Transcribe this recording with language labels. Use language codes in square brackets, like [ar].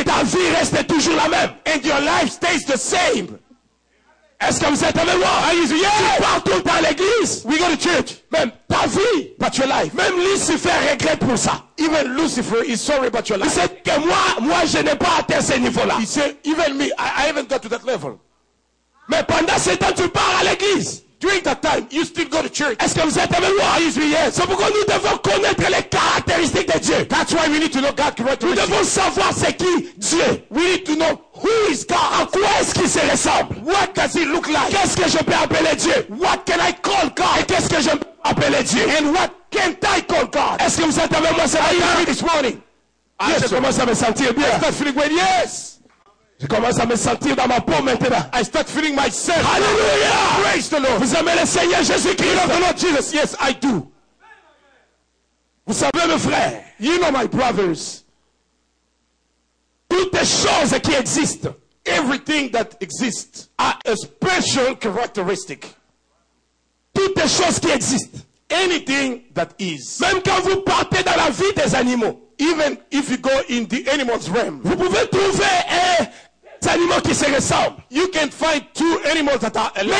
[fr] Et ta vie reste toujours la même. [en] And your life stays the same. [fr] Est-ce que vous êtes avec moi? [en] Are you with me? Yes. [fr] Tu pars tout le temps à l'église. [en] We go to church. [fr] Même ta vie. [en] But your life. [fr] Même Lucifer regrette pour ça. [en] Even Lucifer is sorry about your life. [fr] Il sait que moi je n'ai pas atteint ce niveau-là. [en] He said, even me, I haven't got to that level. [fr] Mais pendant ce temps, tu pars à l'église. [en] During that time, you still go to church. [fr] Est-ce que vous êtes avec moi? [en] Are you with me? Yes. [fr] C'est pourquoi nous devons connaître les caractéristiques de Dieu. [en] That's why we need to know God's characteristics. [fr] Nous devons savoir c'est qui Dieu. [en] We need to know who is God. [fr] À quoi est-ce qu'il se ressemble? [en] What does he look like? [fr] Qu'est-ce que je peux appeler Dieu? [en] What can I call God? [fr] Et qu'est-ce que je peux appeler Dieu? [en] And what can I call God? [fr] Est-ce que vous êtes avec moi ce matin? [en] Are you with me this morning? [fr] Yes, je commence à me sentir bien. [en] I start feeling well. Yes. [fr] Je commence à me sentir dans ma peau maintenant. [en] I start feeling myself. Hallelujah. Praise the Lord. [fr] Vous aimez le Seigneur Jésus-Christ? [en] You love the Lord Jesus? Yes, I do. [fr] Vous savez, mes frères. [en] You know my brothers. [fr] Toutes les choses qui existent. [en] Everything that exists. A special characteristic. [fr] Toutes les choses qui existent. [en] Anything that is. [fr] Même quand vous partez dans la vie des animaux. [en] Even if you go in the animal's realm. [fr] Vous pouvez trouver des animaux qui se ressemblent. [en] You can find two animals that are alike.